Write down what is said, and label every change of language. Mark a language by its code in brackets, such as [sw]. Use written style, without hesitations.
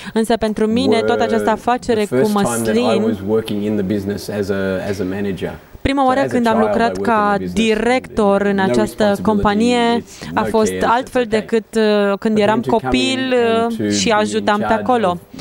[ro] Însă pentru mine toată această afacere cu măslin. [en] I was working in the business as a manager. [ro] Prima oară când am lucrat ca director în această companie a fost altfel decât când eram copil și ajutam pe acolo.